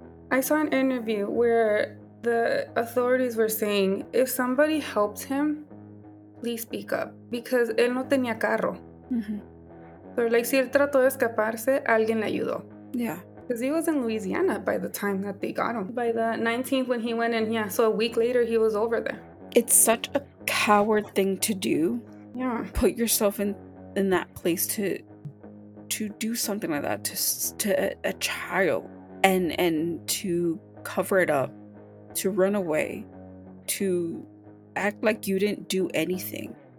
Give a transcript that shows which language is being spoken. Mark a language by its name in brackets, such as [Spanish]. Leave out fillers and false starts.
[English] I saw an interview where the authorities were saying, if somebody helped him, please speak up. [Spanish] Because él no tenía carro. Mm-hmm. So, like, si él trató de escaparse, alguien le ayudó. [English] Yeah. Because he was in Louisiana by the time that they got him. By the 19th when he went in, yeah. So a week later, he was over there. It's such a coward thing to do. Yeah. Put yourself in that place to do something like that to a child and to cover it up, to run away, to act like you didn't do anything.